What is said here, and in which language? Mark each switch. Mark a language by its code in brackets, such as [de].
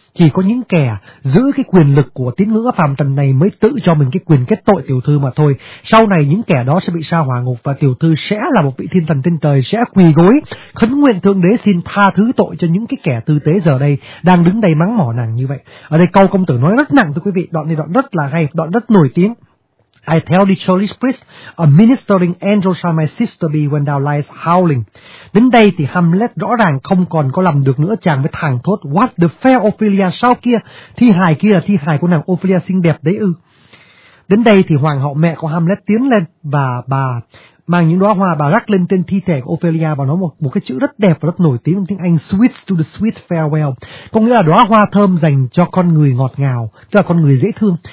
[vi] Chỉ có những kẻ giữ cái quyền lực của tín ngưỡng phàm trần này mới tự cho mình cái quyền kết tội tiểu thư mà thôi. Sau này những kẻ đó sẽ bị sa hỏa ngục và tiểu thư sẽ là một vị thiên thần trên trời, sẽ quỳ gối khấn nguyện thượng đế xin tha thứ tội cho những cái kẻ tư tế giờ đây đang đứng đây mắng mỏ nàng như vậy. Ở đây câu công tử nói rất nặng thưa quý vị, đoạn này đoạn rất là hay, đoạn rất nổi tiếng. [en] I tell the Cholish priest, a ministering angel shall my sister be when thou lies howling. [vi] Đến đây thì Hamlet rõ ràng không còn có lầm được nữa, chàng mới thẳng thốt, [en] what the fair Ophelia, [vi] sao kia là thi hài của nàng Ophelia xinh đẹp đấy ư. Đến đây thì hoàng hậu mẹ của Hamlet tiến lên và bà mang những đóa hoa bà rắc lên trên thi thể của Ophelia và nói một cái chữ rất đẹp và rất nổi tiếng trong tiếng Anh, [en] sweet to the sweet farewell, [vi] có nghĩa là đóa hoa thơm dành cho con người ngọt ngào, tức là con người dễ thương.